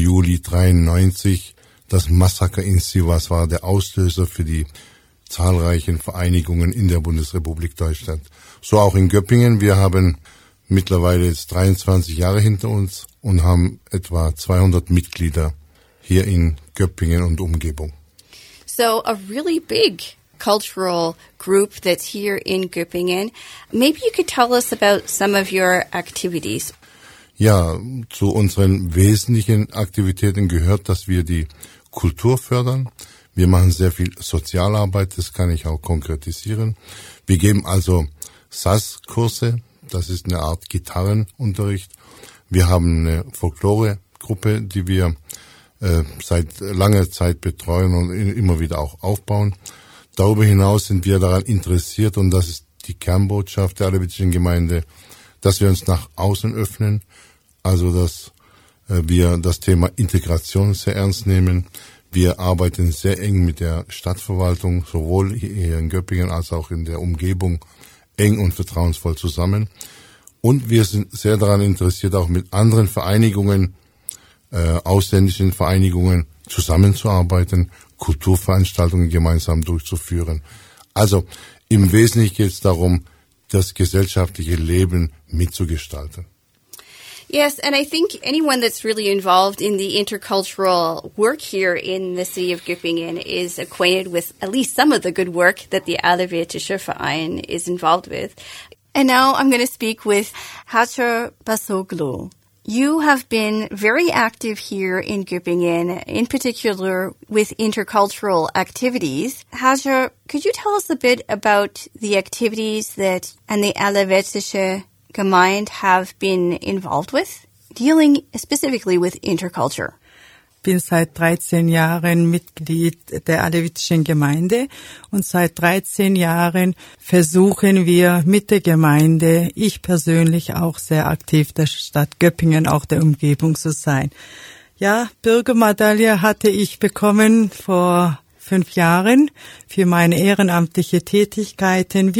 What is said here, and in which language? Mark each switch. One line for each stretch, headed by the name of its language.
German: Juli 1993. Das Massaker in Sivas war der Auslöser für die zahlreichen Vereinigungen in der Bundesrepublik Deutschland. So auch in Göppingen. Wir haben mittlerweile jetzt 23 Jahre hinter uns und haben etwa 200 Mitglieder hier in Göppingen und Umgebung.
English: So a really big cultural group that's here in Göppingen. Maybe you could tell us about some of your activities.
German: Ja, zu unseren wesentlichen Aktivitäten gehört, dass wir die Kultur fördern. Wir machen sehr viel Sozialarbeit, das kann ich auch konkretisieren. Wir geben also SAS-Kurse, das ist eine Art Gitarrenunterricht. Wir haben eine Folklore-Gruppe, die wir seit langer Zeit betreuen und immer wieder auch aufbauen. Darüber hinaus sind wir daran interessiert, und das ist die Kernbotschaft der Allerwettischen Gemeinde, dass wir uns nach außen öffnen, also dass wir das Thema Integration sehr ernst nehmen. Wir arbeiten sehr eng mit der Stadtverwaltung, sowohl hier in Göppingen als auch in der Umgebung, eng und vertrauensvoll zusammen. Und wir sind sehr daran interessiert, auch mit anderen Vereinigungen, ausländischen Vereinigungen zusammenzuarbeiten, Kulturveranstaltungen gemeinsam durchzuführen. Also im Wesentlichen geht es darum, das gesellschaftliche Leben mitzugestalten.
English: Yes, and I think anyone that's really involved in the intercultural work here in the city of Göppingen is acquainted with at least some of the good work that the Allerwettische Verein is involved with. And now I'm going to speak with Hacha Bajuglu. You have been very active here in Göppingen, in particular with intercultural activities. Hacha, could you tell us a bit about the activities that and the Allerwettische Gemeinde have been involved with, dealing specifically with interculture?
German: Ich bin seit 13 Jahren Mitglied der Allerwettischen Gemeinde und seit 13 Jahren versuchen wir mit der Gemeinde, ich persönlich auch sehr aktiv, der Stadt Göppingen, auch der Umgebung zu sein. Ja, Bürgermedaille hatte ich bekommen vor 5 Jahren für meine ehrenamtliche Tätigkeiten.